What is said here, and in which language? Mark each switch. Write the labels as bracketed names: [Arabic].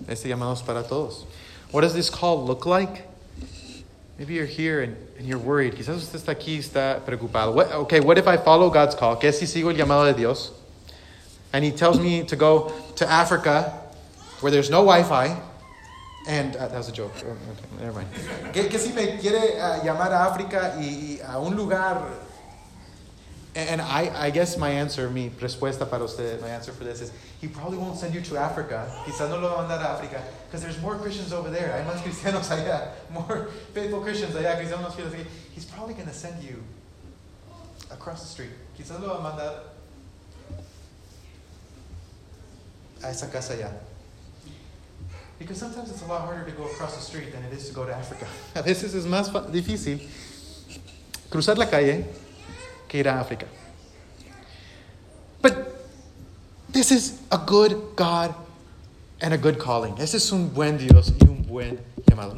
[Spanish] Este llamado es para todos. [English] What does this call look like? Maybe you're here and you're worried. [Spanish] Quizás usted está aquí y está preocupado. [English] What if I follow God's call? [Spanish] ¿Qué si sigo el llamado de Dios? [English] And He tells me to go to Africa where there's no Wi-Fi. And that was a joke. Okay, never mind. [Spanish] ¿Qué si me quiere llamar a África y a un lugar? [English] And I guess my answer, [Spanish] mi respuesta para usted, [English] my answer for this is, He probably won't send you to Africa. [Spanish] Quizás no lo va a mandar a África. [English] Because there's more Christians over there. [Spanish] Hay más cristianos allá. [English] More faithful Christians [Spanish] allá. Quizás no fieles aquí. [English] He's probably going to send you across the street. [Spanish] Quizás lo va a mandar a esa casa allá. [English] Because sometimes it's a lot harder to go across the street than it is to go to Africa. [Spanish] A veces es más difícil cruzar la calle que ir a África. [English] But this is a good God and a good calling. [Spanish] Ese es un buen Dios y un buen llamado.